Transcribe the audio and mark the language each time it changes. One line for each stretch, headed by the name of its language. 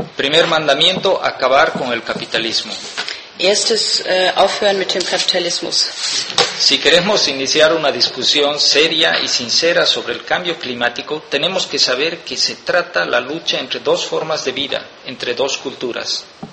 Spanish: Primer mandamiento, acabar con el capitalismo.
German: Erstes, aufhören mit dem Kapitalismus.
Spanish: Si queremos iniciar una discusión seria y sincera sobre el cambio climático, tenemos que saber que se trata la lucha entre dos formas de vida, entre dos culturas.